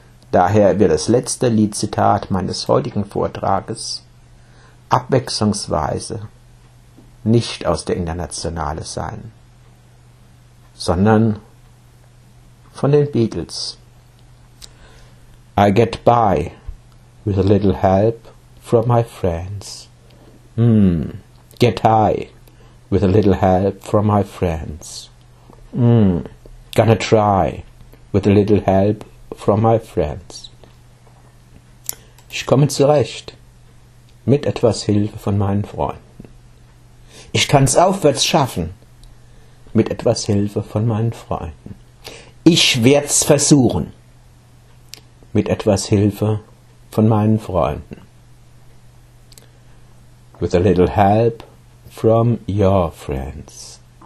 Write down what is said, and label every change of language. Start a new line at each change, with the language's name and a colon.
German: Daher wird das letzte Liedzitat meines heutigen Vortrages abwechslungsweise nicht aus der Internationale sein, sondern von den Beatles.
English: I get by with a little help from my friends. Get high with a little help from my friends. Gonna try with a little help from my friends.
German: Ich komme zurecht mit etwas Hilfe von meinen Freunden. Ich kann es aufwärts schaffen, mit etwas Hilfe von meinen Freunden. Ich werde es versuchen, mit etwas Hilfe von meinen Freunden.
English: With a little help from your friends.